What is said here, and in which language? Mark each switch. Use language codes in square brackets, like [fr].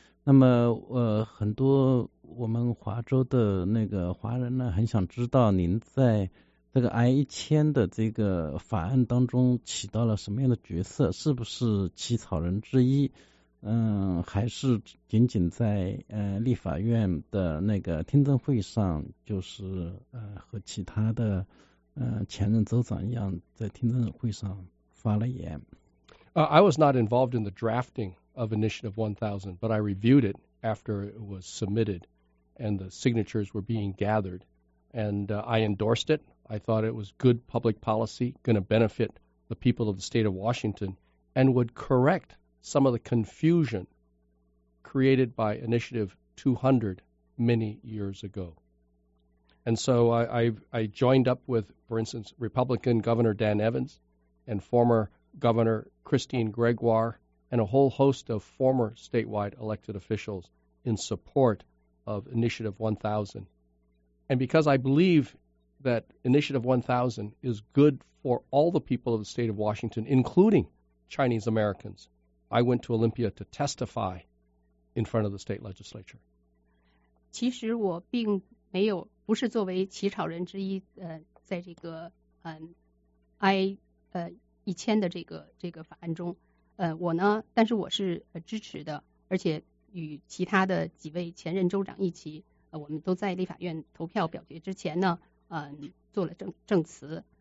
[zh] 那么，很多我们华州的那个华人呢，很想知道您在这个 I-1000 的这个法案当中起到了什么样的角色，是不是起草人之一，还是仅仅在立法院的那个听证会上，就是和其他的前任州长一样在听证会上发了言。 [en] I was not involved in the drafting of Initiative 1000, but I reviewed it after it was submitted and the signatures were being gathered, and I endorsed it. I thought it was good public policy, going to benefit the people of the state of Washington, and would correct some of the confusion created by Initiative 200 many years ago. And so I joined up with, for instance, Republican Governor Dan Evans and former Governor Christine Gregoire and a whole host of former statewide elected officials in support of Initiative 1000. And because I believe that Initiative 1000 is good for all the people of the state of Washington, including Chinese Americans, I went to Olympia to testify in front of the state legislature. [zh] 其实我并没有，不是作为起草人之一，在这个I-1000 的这个法案中，我呢，但是我是支持的，而且与其他的几位前任州长一起，我们都在立法院投票表决之前呢，做了证词。